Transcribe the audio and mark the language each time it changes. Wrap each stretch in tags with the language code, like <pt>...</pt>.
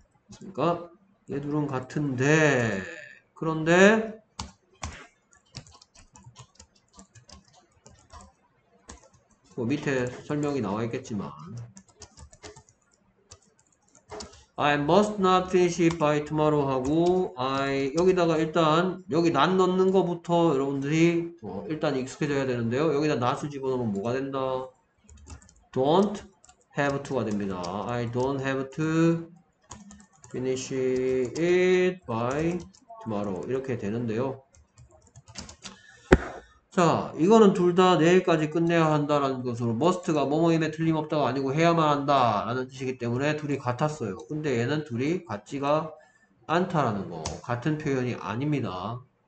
<ko>맞습니까? 얘 둘은 같은데, 그런데 뭐 밑에 설명이 나와 있겠지만,</ko> <en>I must not finish it by tomorrow</en> <ko>하고, I 여기다가 일단 여기 not 넣는 것부터 여러분들이 뭐 일단 익숙해져야 되는데요. 여기다 not을 집어넣으면 뭐가 된다? Don't have to가 됩니다.</ko> <en>I don't have to finish it by tomorrow.</en> <ko>이렇게 되는데요. 자, 이거는 둘다 내일까지 끝내야 한다라는 것으로 must가 뭐뭐임에 틀림없다가 아니고 해야만 한다라는 뜻이기 때문에 둘이 같았어요. 근데 얘는 둘이 같지가 않다라는 거. 같은 표현이 아닙니다.</ko>